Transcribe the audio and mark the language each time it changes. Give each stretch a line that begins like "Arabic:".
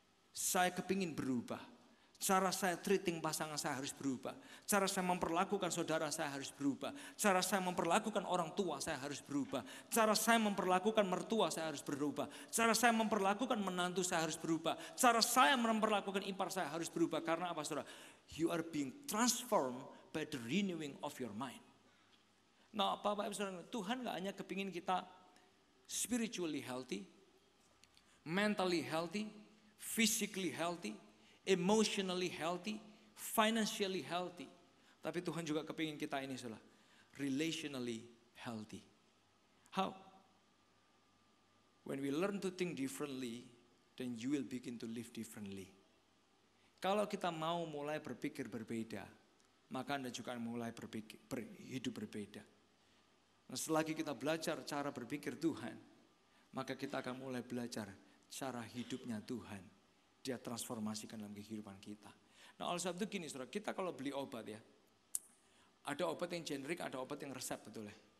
Indonesian: Saya kepingin berubah. Cara saya treating pasangan saya harus berubah. Cara saya memperlakukan saudara saya harus berubah. Cara saya memperlakukan orang tua saya harus berubah. Cara saya memperlakukan mertua saya harus berubah. Cara saya memperlakukan menantu saya harus berubah. Cara saya memperlakukan ipar saya harus berubah. Karena apa saudara?
English: You are being transformed by the renewing of your mind.
Indonesian: Nah, Bapak Ibu saudara, Tuhan gak hanya kepingin kita
English: spiritually healthy, mentally healthy, physically healthy, emotionally healthy, financially healthy.
Indonesian: Tapi Tuhan juga kepingin kita ini salah,
English: relationally healthy. How? When we learn to think differently, then you will begin to live differently.
Indonesian: Kalau kita mau mulai berpikir berbeda, maka Anda juga mulai berpikir, hidup berbeda. Nah, selagi kita belajar cara berpikir Tuhan, maka kita akan mulai belajar cara hidupnya Tuhan. Dia transformasikan dalam kehidupan kita. Nah oleh sebab itu gini saudara, kita kalau beli obat ya, ada obat yang generik, ada obat yang resep betul ya.